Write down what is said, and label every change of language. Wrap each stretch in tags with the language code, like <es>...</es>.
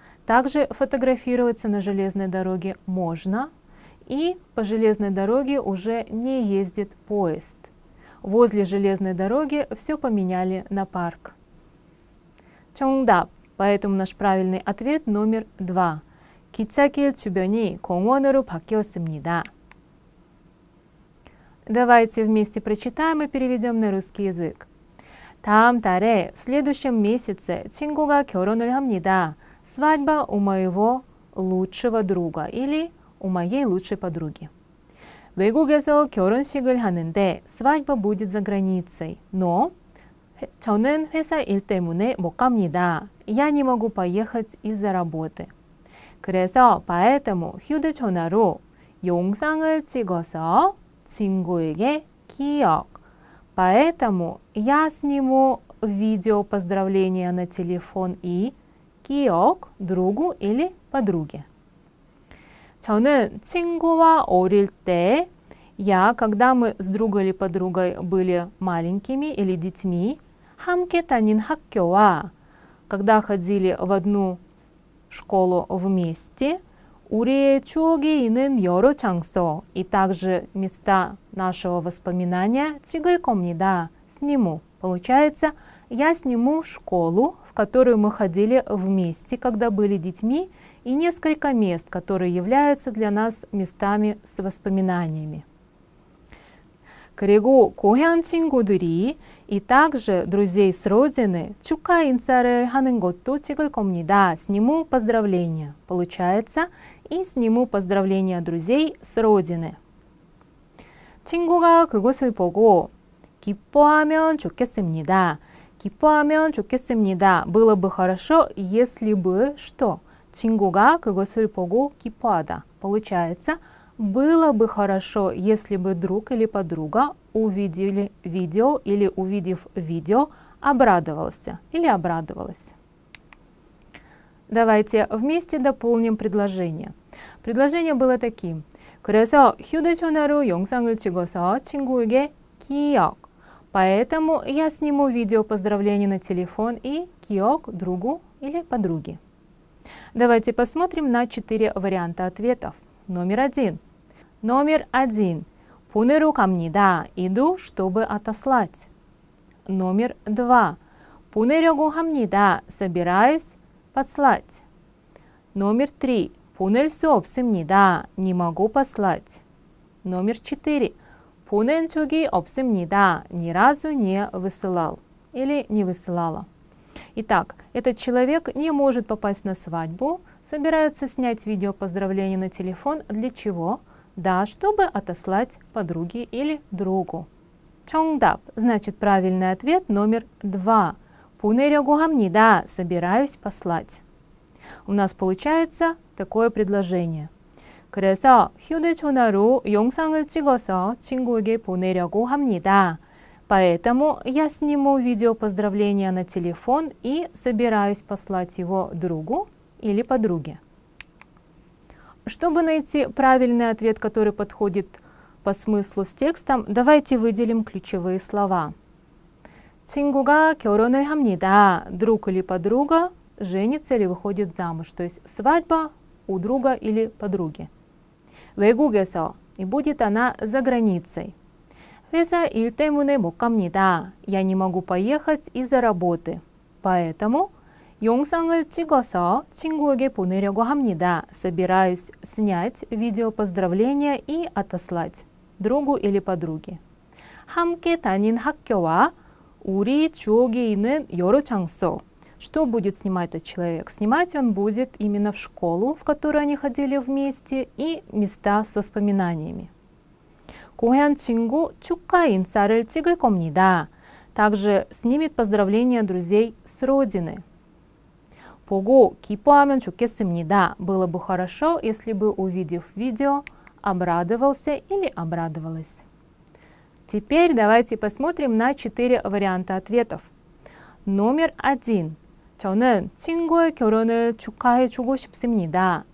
<ru>Также фотографироваться на железной дороге можно, и по железной дороге уже не ездит поезд. Возле железной дороги все поменяли на парк. Чонгдап. Поэтому наш правильный ответ номер два.</ru> <ko>기차길 주변이 공원으로 바뀌었습니다.</ko> <ru>Давайте вместе прочитаем и переведем на русский язык.</ru> <ko>다음 달에,</ko> <ru>в следующем месяце,</ru> <ko>친구가 결혼을 합니다.</ko> <ru>Свадьба у моего лучшего друга или у моей лучшей подруги.</ru> <ko>외국에서 결혼식을 하는데,</ko> <ru>свадьба будет за границей.</ru> <ko>Но, 저는 회사 일 때문에 못 갑니다.</ko> <ru>Я не могу поехать из-за работы.</ru> <ko>그래서,</ko> <ru>поэтому,</ru> <ko>휴대전화로 영상을 찍어서 친구에게 기억.</ko> <ru>Поэтому я сниму видео поздравления на телефон и 기억 другу или подруге.</ru> <ko>저는 친구와 어릴 때,</ko> <ru>я, когда мы с другом или подругой были маленькими или детьми,</ru> <ko>함께 다닌 학교와,</ko> <ru>когда ходили в одну школу вместе,</ru> <ko>우리의 추억이 있는 여러 장소</ko> <ru>и также места нашего воспоминания</ru> <ko>찍을 겁니다.</ko> <ru>Сниму. Получается, я сниму школу, в которую мы ходили вместе, когда были детьми, и несколько мест, которые являются для нас местами с воспоминаниями.</ru> <ko>그리고 고향 친구들이</ko> <ru>и также друзей с родины</ru> <ko>축하 인사를 하는 것도 찍을 겁니다.</ko> <ru>Сниму поздравления. Получается, и сниму поздравления друзей с родины.</ru> <ko>친구가 그것을 보고 기뻐하면 좋겠습니다. 기뻐하면 좋겠습니다.</ko> <ru>Было бы хорошо, если бы что?</ru> <ko>친구가 그것을 보고 기뻐하다.</ko> <ru>Получается, было бы хорошо, если бы друг или подруга увидели видео или, увидев видео, обрадовался или обрадовалась. Давайте вместе дополним предложение. Предложение было таким.</ru> <ko>그래서 휴대전화로 영상을 찍어서 친구에게 기억.</ko> <ru>Поэтому я сниму видео поздравления на телефон и 기억 другу или подруге. Давайте посмотрим на 4 варианта ответов. Номер один. Номер один.</ru> <ko>보내러 갑니다.</ko> <ru>Иду, чтобы отослать. Номер два. 보내려고 합니다. Собираюсь послать. Номер три.</ru> <ko>보낼 수 없습니다.</ko> <ru>Не могу послать. Номер четыре.</ru> <ko>보낸 적이 없습니다.</ko> <ru>Ни разу не высылал. Или не высылала. Итак, этот человек не может попасть на свадьбу. Собирается снять видео поздравления на телефон. Для чего? Да, чтобы отослать подруге или другу.</ru> <ko>정답.</ko> <ru>Значит, правильный ответ номер два.</ru> <ko>보내려고 합니다.</ko> <ru>Собираюсь послать. У нас получается такое предложение.</ru> <ko>그래서 휴대전화로 영상을 찍어서 친구에게 보내려고 합니다.</ko> <ru>Поэтому я сниму видео поздравления на телефон и собираюсь послать его другу или подруге. Чтобы найти правильный ответ, который подходит по смыслу с текстом, давайте выделим ключевые слова.</ru> <ko>친구가 결혼을 합니다.</ko> <ru>Друг или подруга женится или выходит замуж. То есть свадьба у друга или подруги. 외국에서. И будет она за границей.</ru> <ko>회사 일 때문에 못 갑니다.</ko> <ru>Я не могу поехать из-за работы.</ru> <ko>Поэтому 영상을 찍어서 친구에게 보내려고 합니다.</ko> <ru>Собираюсь снять видео поздравления и отослать другу или подруге.</ru> <ko>함께 다닌 학교와 우리 추억이 있는 여러 장소.</ko> <ru>Что будет снимать этот человек? Снимать он будет именно в школу, в которую они ходили вместе, и места с воспоминаниями.</ru> <ko>고향 친구 축하 인사를 찍을 겁니다.</ko> <ru>Также снимет поздравления друзей с родины.</ru> <ko>보고 기뻐하면 좋겠습니다.</ko> <ru>Было бы хорошо, если бы, увидев видео, обрадовался или обрадовалась. Теперь давайте посмотрим на 4 варианта ответов. Номер один.</ru> <ko>저는 친구의 결혼을 축하해 주고 싶습니다.</ko>